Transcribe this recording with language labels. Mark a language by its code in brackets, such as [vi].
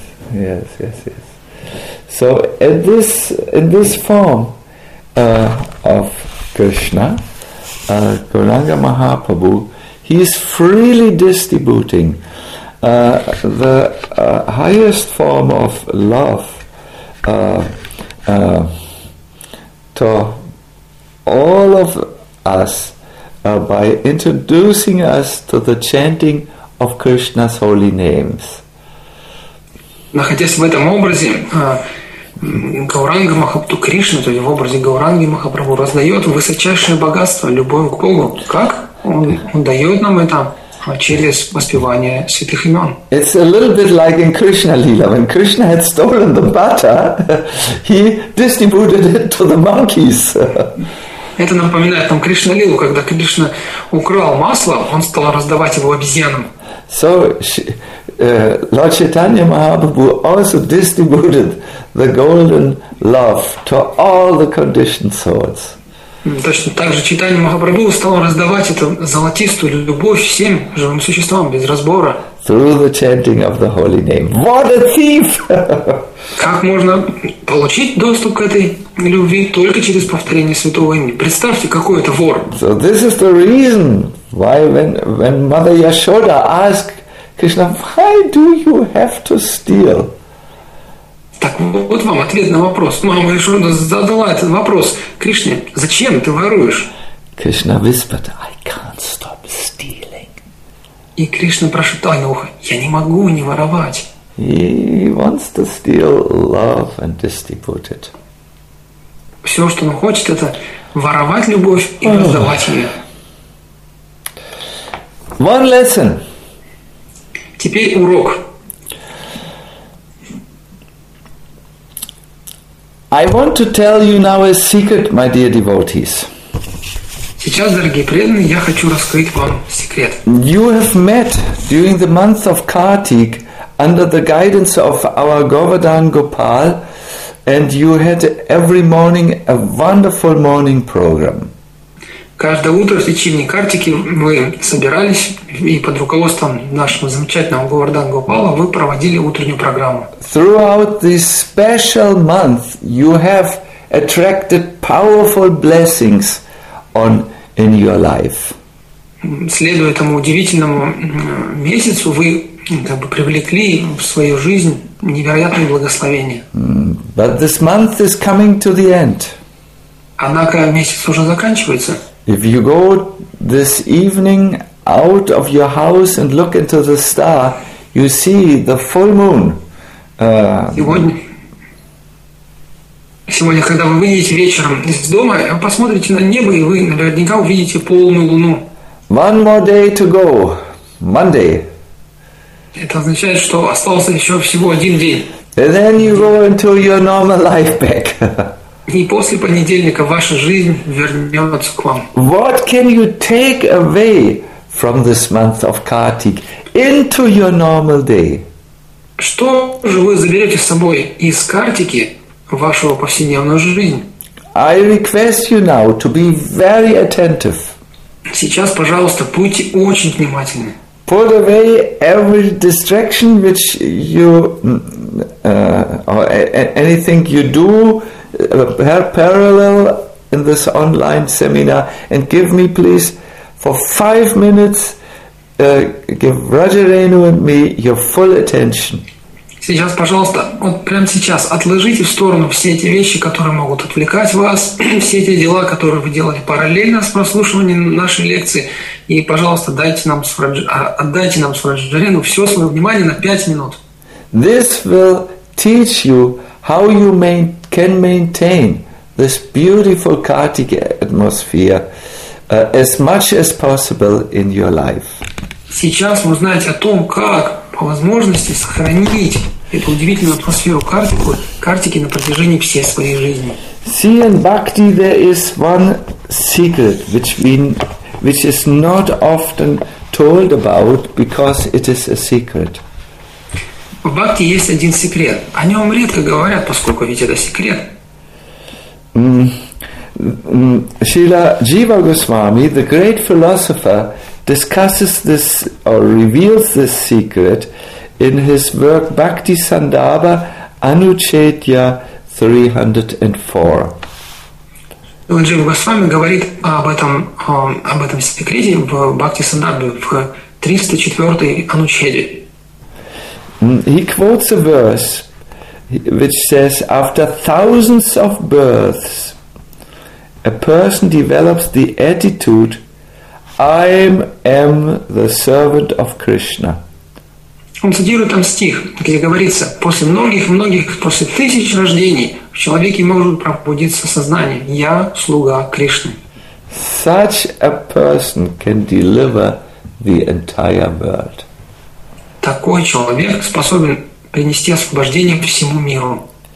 [en] Yes. So in this form of Krishna, Gauranga Mahaprabhu, he is freely distributing the highest form of love to all of us by introducing us to the chanting of Krishna's holy names. [ru] Находясь в этом образе, Гауранга Махапрабху, Кришна, то есть в образе Гауранги Махапрабху, раздает высочайшее богатство, любовь к Богу. Как? Он дает нам это через воспевание святых имен. [en] It's a little bit like in Krishna Lila. When Krishna had stolen the butter, he distributed it to the monkeys. [ru] Это напоминает нам Кришна Лилу, когда Кришна украл масло, он стал раздавать его обезьянам. [en] So, Lord Chaitanya Mahaprabhu also distributed the golden love to all the conditioned souls. [ru] Точно так же Чайтанья Махапрабху стал раздавать эту золотистую любовь всем живым существам без разбора. [en] Through the chanting of the holy name. What a thief! [ru] Как можно получить доступ к этой любви только через повторение святого имени? Представьте, какой это вор! [en] So this is the reason why when Mother Yashoda asked Krishna, why do you have to steal? [ru] Так вот вам ответ на вопрос. Мама Яшода задала этот вопрос. Кришне, зачем ты воруешь? [en] Krishna whispered, I can't stop stealing. [ru] И Кришна прошептал на ухо, я не могу не воровать. [en] He wants to steal love and distribute it. [ru] Все, что он хочет, это воровать любовь и раздавать ее. [en] One lesson. [ru] Теперь урок. [en] I want to tell you now a secret, my dear devotees. [ru] Сейчас, дорогие преданные, я хочу раскрыть вам секрет. [en] You have met during the month of Kartik under the guidance of our Govardhan Gopal, and you had every morning a wonderful morning program. [ru] Каждое утро в течение Картики мы собирались, и под руководством нашего замечательного Говардан Гопала мы проводили утреннюю программу. [en] Throughout this special month you have attracted powerful blessings on in your life. [ru] Следуя этому удивительному месяцу, вы как бы привлекли в свою жизнь невероятные благословения. [en] But this month is coming to the end. [ru] Однако месяц уже заканчивается. [en] If you go this evening out of your house and look into the star, you see the full moon. [ru] Сегодня, когда вы выйдете вечером из дома, посмотрите на небо, и вы наверняка увидите полную луну. [en] One more day to go. Monday. [ru] Это означает, что остался еще всего один день. [en] And then you go into your normal life back. [ru] И после понедельника ваша жизнь вернется к вам. [en] What can you take away from this month of Kartik into your normal day? [ru] Что же вы заберете с собой из Картики в вашу повседневную жизнь? [en] I request you now to be very attentive. [ru] Сейчас, пожалуйста, будьте очень внимательны. [en] Put away every distraction which you or anything you do parallel in this online seminar, and give me please for 5 minutes give Raja Renu and me your full attention. [ru] Сейчас, пожалуйста, вот прямо сейчас отложите в сторону все эти вещи, которые могут отвлекать вас, все эти дела, которые вы делали параллельно с прослушиванием нашей лекции, и, пожалуйста, отдайте нам с Раджа Рену все свое внимание на 5 минут. [en] This will teach you how you can maintain this beautiful Kartika atmosphere as much as possible in your life. [ru] Сейчас вы узнаете о том, как по возможности сохранить эту удивительную атмосферу Картики на протяжении всей своей жизни. [en] See, in bhakti there is one secret which is not often told about because it is a secret. [ru] В бхакти есть один секрет. О нем редко говорят, поскольку ведь это секрет. [en] Шрила Джива Госвами, the great philosopher, discusses this or reveals this secret in his work Bhakti Sandarbha Anuchetya 304. [ru] Джива Госвами говорит об этом секрете в Бхакти Сандарбе в 304 Анучеде. [en] He quotes a verse which says, after thousands of births, a person develops the attitude, I am the servant of Krishna. [ru] Он цитирует там стих, где говорится, после многих, после тысяч рождений, в человеке может пробудиться сознание, я слуга Кришны. [en] Such a person can deliver the entire world. [ru] Такой человек способен принести освобождение всему миру.